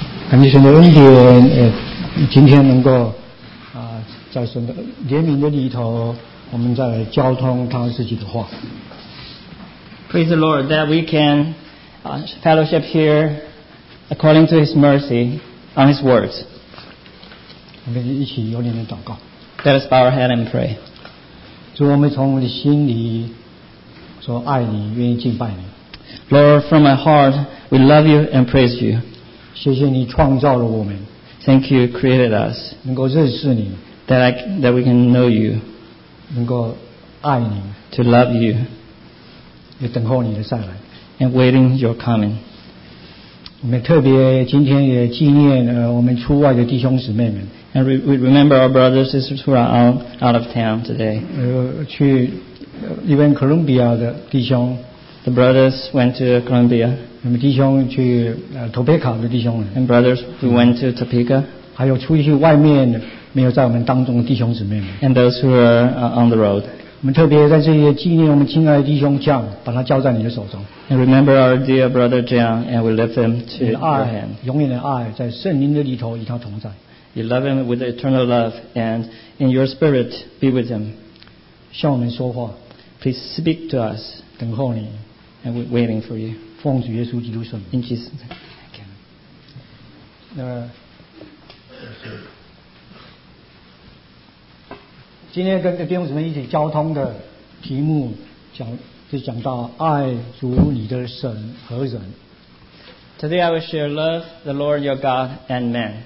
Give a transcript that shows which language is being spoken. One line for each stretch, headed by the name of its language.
Chinese: 感谢神的恩典，今天能够在神的怜悯的里头，我们再来交通他自己的话。
English: Praise the Lord that we can fellowship here according to His mercy on His words.
Chinese: 我们一起有点的祷告。
English: Let us bow our head and pray.
Chinese: 主，我们从我们的心里说爱你，愿意敬拜你。
English: Lord, from my heart, we love you and praise you.
Chinese: 谢谢你创造了我们。
English: Thank you, created us.
Chinese: 能够认识你。
English: That we can know you.
Chinese: 能够爱你。
English: To love you.
Chinese: 也等候你的再来。
English: And waiting your coming.
Chinese: 我们特别今天也纪念我们出外的弟兄姊妹们。
English: And we remember our brothers and sisters who are out of town today.
Chinese: 去一边哥伦比亚的弟兄。
English: The brothers went to Colombia.
Chinese: 我们弟兄去托佩卡的弟兄们。
English: And brothers who went to Topeka.
Chinese: 还有出去外面没有在我们当中的弟兄姊妹们。
English: And those who are on the road.
Chinese: 我们特别在这里纪念我们亲爱的弟兄John，把他交在你的手中。
English: And remember our dear brother John, and we lift him to your hand.
Chinese: 永远的爱在圣灵的里头与他同在。
English: You love him with eternal love, and in your spirit be with him.
Chinese: 向我们说话。
English: Please speak to us.
Chinese: 等候你。
English: And we're waiting for you.
Chinese: 奉主耶稣基督圣名。
English: In Jesus' name. Okay.
Chinese: 今天跟弟兄姊妹一起交通的题目讲到爱主你的神和人。
English: Today I will share love the Lord your God and man.